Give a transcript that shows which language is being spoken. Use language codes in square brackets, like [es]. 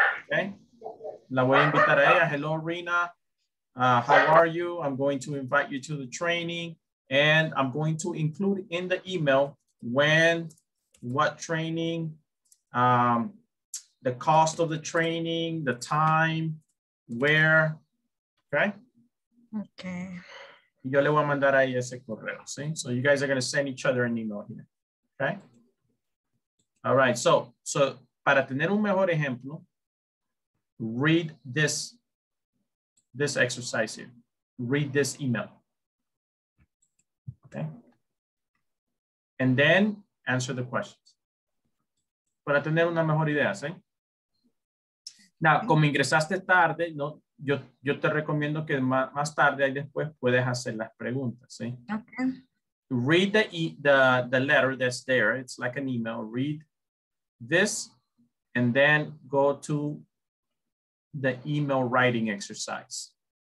[es] Okay, la voy a invitar a ella. [en] Hello, Rina. How are you? I'm going to invite you to the training, and I'm going to include in the email when, what training, the cost of the training, the time. Where, okay? Okay. [es] Yo le voy a mandar ahí ese correo, ¿sí? [en] So you guys are gonna send each other an email here, okay? All right, so [es] para tener un mejor ejemplo, [en] read this exercise here. Read this email, okay? And then answer the questions. [es] Para tener una mejor idea, ¿sí? Now, como ingresaste tarde, no, yo te recomiendo que más tarde y después puedes hacer las preguntas, ¿sí? [en] Okay. Read the letter that's there. It's like an email. Read this and then go to the email writing exercise.